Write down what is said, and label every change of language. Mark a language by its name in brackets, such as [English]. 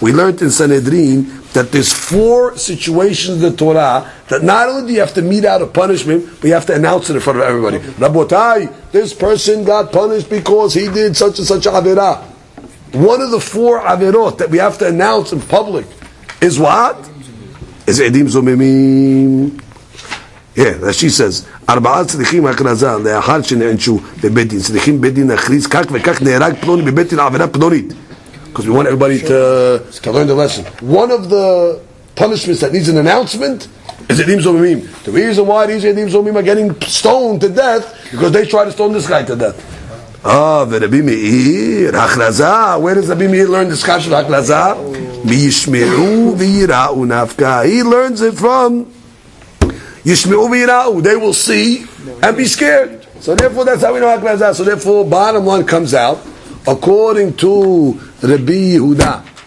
[English] We learned in Sanhedrin that there's four situations in the Torah that not only do you have to mete out a punishment, but you have to announce it in front of everybody. Rabotai, this person got punished because he did such and such avera. One of the four averot that we have to announce in public is what? Is Edim Zomimim. Yeah, that she says, [Hebrew] ארבעה צריכים הכרזה לאחר שנענשו בבית דין. צריכים בית דין להכריז כך וכך נהרג פלוני בבית דין עבירה פלונית. [English] Because we want everybody to learn the lesson. One of the punishments that needs an announcement is Edim Zomimim. The reason why these Edim Zomimim are getting stoned to death, because they try to stone this guy to death. [Hebrew] Ah, ורבי מאיר, הכרזה. [English] Where does רבי מאיר learn this kind of הכרזה? [Hebrew] מי ישמעו ויראו נפקא. [English] He learns it from Yishmeu v'yirau. They will see and be scared. So therefore, that's how we know Hakhraza. So therefore, bottom line comes out according to Rabbi Yehuda.